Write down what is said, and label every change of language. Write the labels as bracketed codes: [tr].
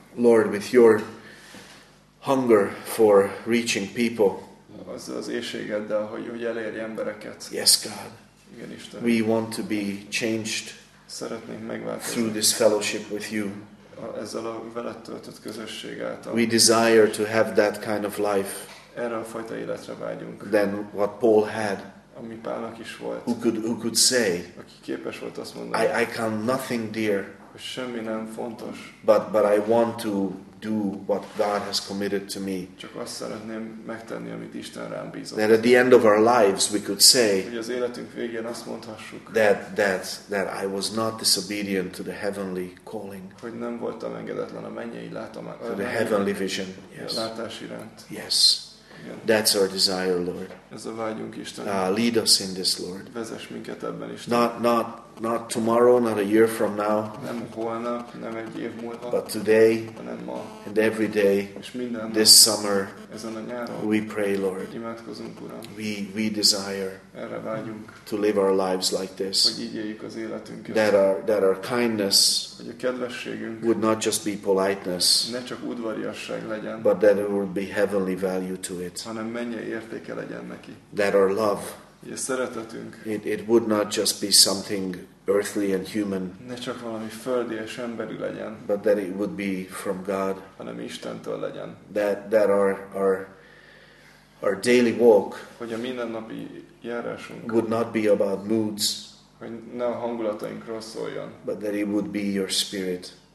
[en] Lord, with your hunger for reaching people, [hu] az éjségeddel, hogy elérj embereket. [en] Yes, God. [hu] Igen, Isten. [en] We want to be changed. [hu] Szeretnénk megváltozni. [en] Through this fellowship with you, [hu] ezzel a veled töltött közösség által. [en] We desire to have that kind of life. [hu] Erre a fajta életre vágyunk. [en] Than what Paul had. [hu] Ami Pálnak is volt. [en] Who could say? [hu] Aki képes volt azt mondani. [en] I count nothing dear. [hu] Semmi nem fontos. [en] But I want to do what God has committed to me. [hu] Csak azt szeretném megtenni, amit Isten rám bízott. [en] That at the end of our lives we could say. [hu] Hogy az életünk végén azt mondhassuk. [en] That I was not disobedient to the heavenly calling. [hu] Hogy nem voltam engedetlen a mennyei látomásra. [en] To the heavenly vision. Yes. [hu] Látás iránt. [en] Yes. That's our desire, Lord. [hu] Ez a vágyunk, Isten. [en] Lead us in this, Lord. [hu] Vezess minket ebben, Isten. [en] Not not tomorrow, not a year from now, [hu] nem holnap, nem egy év múlva, [en] but today, [hu] hanem ma, [en] and every day, [hu] és minden nap, [en] this summer, [hu] ezen a nyáron, [en] we pray, Lord. [hu] Imádkozunk, Uram. [en] We desire [hu] erre vágyunk, [en] to live our lives like this, [hu] hogy így éljük az életünket, [en] that our kindness, [hu] hogy a kedvességünk, [en] would not just be politeness, [hu] ne csak udvariasság legyen, [en] but that it would be heavenly value to it, [hu] hanem mennyei értéke legyen neki, [en] that our love, [hu] a szeretetünk, [en] it would not just be something earthly and human, [hu] ne csak valami földi és emberi legyen, [en] but that it would be from God, [hu] hanem Istentől legyen, [en] that our daily walk, [hu] hogy a mindennapi járásunk, [en] would not be about moods, [hu] hogy ne a hangulatainkról szóljon, [en] but that it would be your spirit,